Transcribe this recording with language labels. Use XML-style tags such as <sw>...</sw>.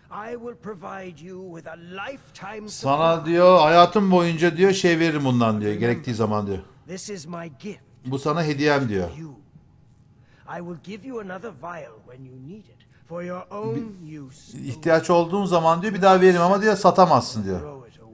<en>I will provide you with a lifetime supply.</en> <tr>Sana diyor, hayatım boyunca diyor şey veririm bundan diyor, gerektiği zaman diyor.</tr> <en>This is my gift.</en> <tr>Bu sana hediyem diyor.</tr> <en>I will give you another vial when you need it for your own use.</en> <tr>İhtiyaç olduğun zaman diyor bir daha veririm ama diyor satamazsın diyor.</tr>